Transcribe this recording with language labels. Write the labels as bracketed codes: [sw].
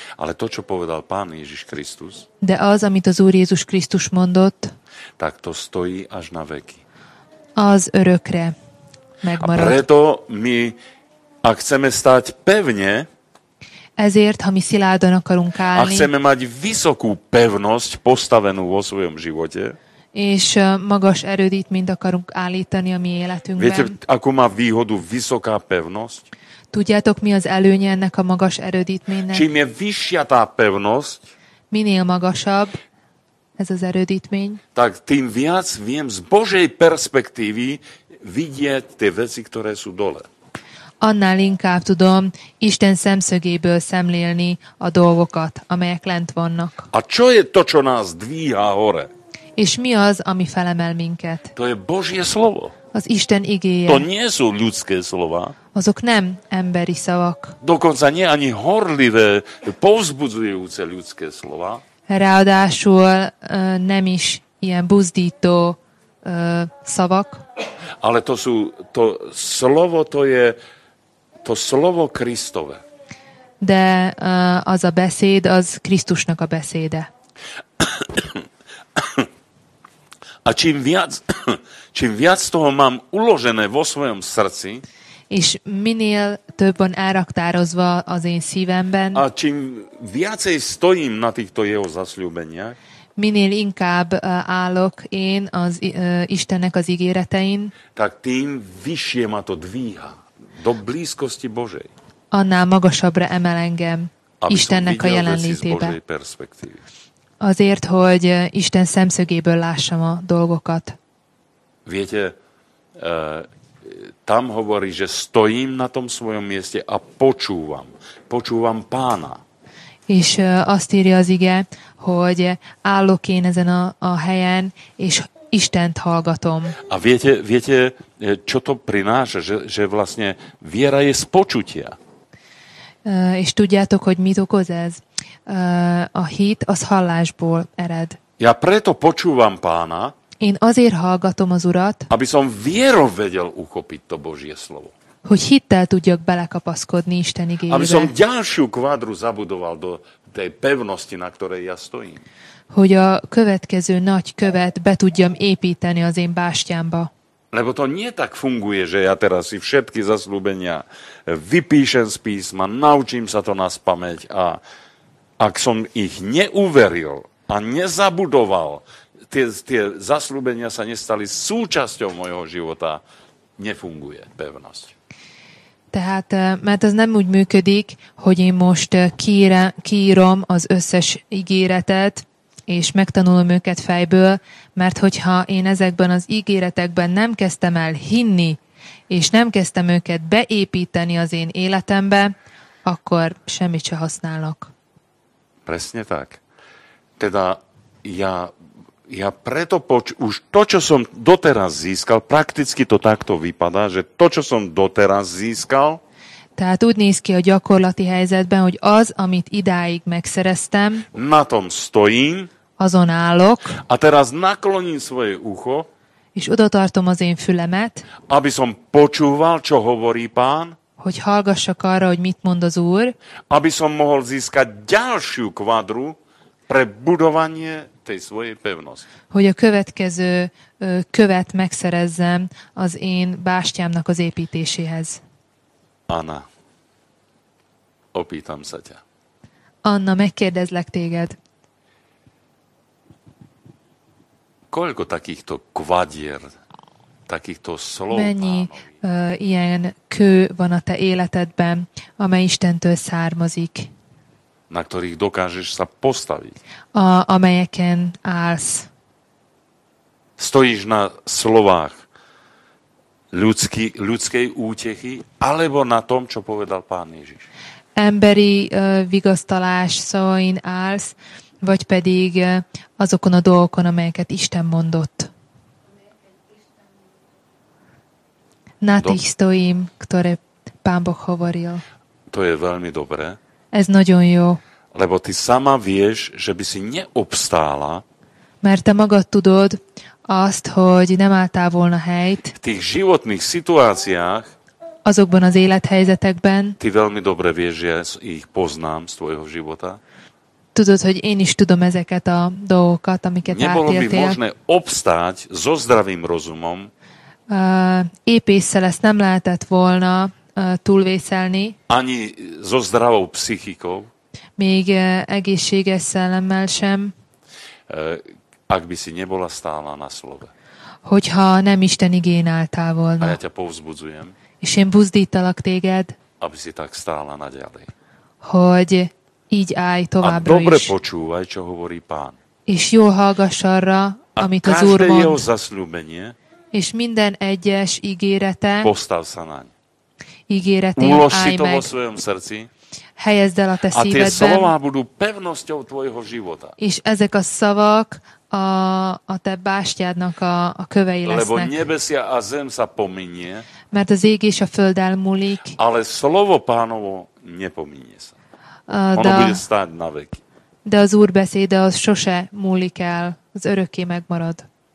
[sk] Ale to, čo povedal Pán Ježiš Kristus, [hu] de az, amit az Úr Jézus Krisztus mondott, [sk] tak to stojí až na veky. [hu] Az örökre megmarad. [sk] A preto my, ak chceme stáť pevne, [hu] ezért, ha mi szilárdan akarunk állni, [sk] a chceme mať vysokú pevnosť postavenú vo svojom živote, [hu] és magas erődítményt akarunk állítani a mi életünkben. [sk] Viete, akú má výhodu vysoká pevnosť? [hu] Tudjátok, mi az előnye ennek a magas erődítménynek? [sk] Čím je vyššia tá pevnosť, [hu] minél magasabb ez az erődítmény, [sk] tak tým viac viem z Božej perspektívy vidieť tie veci, ktoré sú dole. [hu] Annál inkább tudom Isten szemszögéből szemlélni a dolgokat, amelyek lent vannak. [sk] A čo je to, čo nás dvíha hore? [hu] És mi az, ami felemel minket? [sk] To je Božie slovo. [hu] Az Isten igéje. [sk] To nie sú ľudské slova. [hu] Azok nem emberi szavak. [sk] Dokonca nie ani horlivé, povzbudzujúce ľudské slova. [hu] Ráadásul nem is ilyen buzdító szavak. [sk] Ale to sú, to slovo, to je to slovo Kristove. [hu] De az a beszéd, az Krisztusnak a beszéde. [sk] A čím viac toho mám uložené vo svojom srdci, [hu] és minél több van elraktározva az én szívemben, [sk] a čím viacej stojím na týchto jeho zasľúbeniach, [hu] minél inkább állok én az Istennek az ígéretein, [sk] tak tým vyššie ma to dvíha do blízkosti Božej. [hu] Annál magasabbra emel engem Istennek a jelenlétébe. [sk] Aby som videl veci z Božej perspektívy. [hu] Azért, hogy Isten szemszögéből lássam a dolgokat. [sk] Viete, tam hovorí, že stojím na tom svojom mieste a počúvam. Počúvam Pána. [hu] És azt írja az ige, hogy állok én ezen a helyen, és Istent hallgatom. [sk] A viete, čo to prináša, že vlastne viera je z počutia. [hu] És tudjátok, hogy mit okoz ez? A hit az hallásból ered. [sk] Ja preto počúvam Pána, [hu] én azért hallgatom az Urat, [sk] aby som vierou vedel uchopiť to Božie slovo. [hu] Hogy hittel tudjak belekapaszkodni Isten igéjébe. [sk] Aby som ďalšiu kvádru zabudoval do tej pevnosti, na ktorej ja stojím. [hu] Hogy a következő nagy követ be tudjam építeni az én bástyámba. [sk] Lebo to nie tak funguje, že ja teraz si všetky zasľúbenia vypíšem z písma, naučím sa to na spameť a ak som ich neuveril a nezabudoval, tie zasľúbenia sa nestali súčasťou mojho života, nefunguje pevnosť. [hu] Tehát, mert ez nem úgy működik, hogy én most kiírom az összes ígéretet, és megtanulom őket fejből, mert hogyha én ezekben az ígéretekben nem kezdtem el hinni, és nem kezdtem őket beépíteni az én életembe, akkor semmit se használok. [sk] Presne tak. Teda ja preto už to, čo som doteraz získal, prakticky to takto vypadá, že to, čo som doteraz získal, [hu] tehát úgy néz ki a gyakorlati helyzetben, hogy az, amit idáig megszereztem, [sk] na tom stojím, [hu] azon állok, [sk] a teraz nakloním svoje ucho, [hu] és oda tartom az én fülemet, [sk] aby som počúval, čo hovorí Pán, [hu] hogy hallgassak arra, hogy mit mond az Úr, [sk] aby som mohol získať ďalšiu kvadru pre budovanie tej svojej pevnosti. [hu] Hogy a következő követ megszerezzem az én bástyámnak az építéséhez. [sk] Anna, opýtam sa ťa. [hu] Anna, megkérdezlek téged. [sk] Koľko takýchto kvadier, takýchto slov? [hu] Mennyi ilyen kő van a te életedben, amely Istentől származik? [sk] Na ktorých dokážeš sa postaviť? [hu] Amelyeken állsz. [sk] Stojíš na slovách ľudskej útechy, alebo na tom, čo povedal Pán Ježiš? [hu] Emberi vigasztalás szóin állsz, vagy pedig azokon a dolgokon, amelyeket Isten mondott. [sk] Na tých stojím, ktoré Pán Boh hovoril. To je veľmi dobré. [hu] Ez nagyon jó. [sk] Lebo ty sama vieš, že by si neobstála. [hu] Mert te magad tudod azt, hogy nem álltál volna helyt. [sk] V tých životných situáciách. [hu] Azokban az élethelyzetekben. [sk] Ty veľmi dobre vieš, že ich poznám z tvojho života. [hu] Tudod, hogy én is tudom ezeket a dolgokat, amiket [sk] nebolo [hu] átéltél. [sk] Nebolo by možné obstáť so zdravým rozumom. [hu] Épésszel ezt nem lehetett volna túlvészelni. [sk] Ani so zdravou psychikou. [hu] Még egészséges szellemmel sem. [sk] Ak by si nebola stála na slove. [hu] Hogyha nem Isten igén álltál volna. [sk] A ja ťa povzbudzujem. [hu] És én buzdítalak téged. [sk] Aby si tak stála naďalej. [hu] Hogy így állj továbbra is. [sk] A dobre počúvaj, čo hovorí Pán. [hu] És jól hallgass arra, amit az Úr mond. [sk] A každé jeho zasľúbenie. [hu] És minden egyes ígérete. [sk] Postav sa naň. [hu] Ígéretén állj meg. [sk] Ulož si to vo svojom srdci. [hu] Helyezd el a te szívedben. [sk] A tie slová budú pevnosťou tvojho života. [hu] És ezek a szavak a te bástyádnak a kövei lesznek. [sk] Lebo nebesia a zem sa pominie. [hu] Mert az ég és a föld elmúlik. [sk] Ale slovo Pánovo nepominie sa. Ono bude stáť na veky. [hu] De az Úr beszéde az sose múlik el, az örökké megmarad.